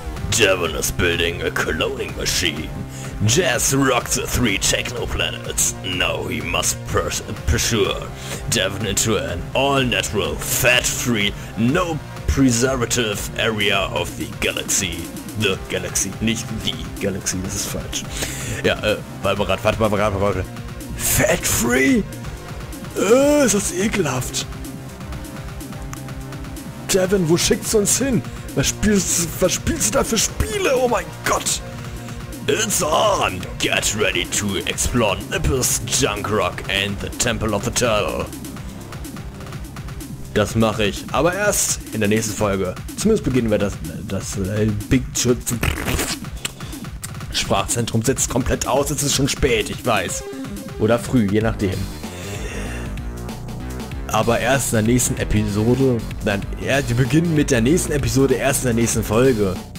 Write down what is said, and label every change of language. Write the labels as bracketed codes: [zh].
[en] Devon is building a cloning machine. Jazz rocked the three techno planets. Now he must pursue Devon into an all-natural, fat-free, no preservative area of the galaxy. [de] The galaxy, nicht die galaxy, das ist falsch. Ja, warte mal. Fat-free? Ist das ekelhaft. Devon, wo schickst du uns hin? Was spielst du da für Spiele? Oh mein Gott! [en] It's on! Get ready to explore Nippus, Junk Rock and the Temple of the Turtle. [de] Das mache ich. Aber erst in der nächsten Folge. Zumindest beginnen wir das Big Schutz. Sprachzentrum setzt komplett aus. Es ist schon spät, ich weiß. Oder früh, je nachdem. Aber erst in der nächsten Episode. Nein, wir beginnen mit der nächsten Episode erst in der nächsten Folge.